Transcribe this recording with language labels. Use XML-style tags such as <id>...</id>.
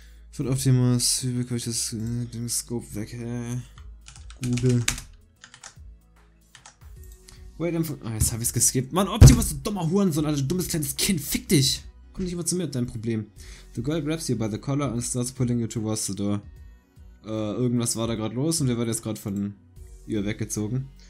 <de>Von Optimus, wie bekomme ich das den Scope weg? Google. Wait, jetzt habe ich es geskippt. Mann, Optimus, du dummer Hurensohn, Alter, du dummes kleines Kind, fick dich! Komm nicht immer zu mir mit deinem Problem.</de> <en>The girl grabs you by the collar and starts pulling you towards the door.</en> <de>Irgendwas war da gerade los und wir werden jetzt gerade von ihr weggezogen.</de>